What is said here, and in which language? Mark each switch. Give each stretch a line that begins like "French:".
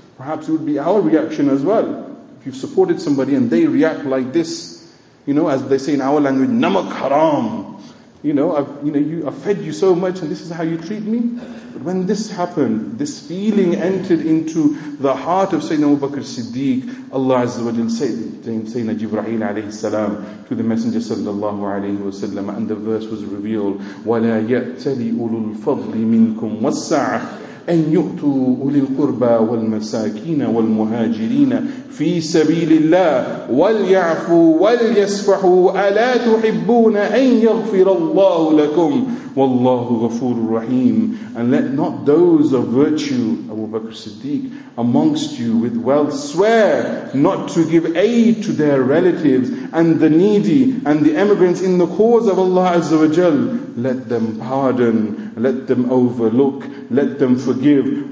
English: Perhaps it would be our reaction as well. If you've supported somebody and they react like this, you know, as they say in our language, namak haram. I've fed you so much and this is how you treat me. But when this happened, this feeling entered into the heart of Sayyidina Abu Bakr Siddiq. Allah Azza wa Jal said Sayyidina Jibreel alayhi salam to the Messenger sallallahu alayhi wa sallam, and the verse was revealed,
Arabic: وَلَا يَأْتَلِ أُولُو الْفَضْلِ مِنْكُمْ وَالسَّعَةِ أَنْ يُؤْتُوا أُولِي الْقُرْبَى وَالْمَسَاكِينَ وَالْمُهَاجِرِينَ فِي سَبِيلِ اللَّهِ وَلْيَعْفُوا وَلْيَصْفَحُوا أَلَا تُحِبُّونَ أَنْ يَغْفِرَ اللَّهُ لَكُمْ وَاللَّهُ غَفُورٌ رَحِيمٌ.
English: And let not those of virtue, Abu Bakr Siddiq, amongst you with wealth swear not to give aid to their relatives and the needy and the emigrants in the cause of Allah Azza wa Jal. Let them pardon, let them overlook, let them forgive.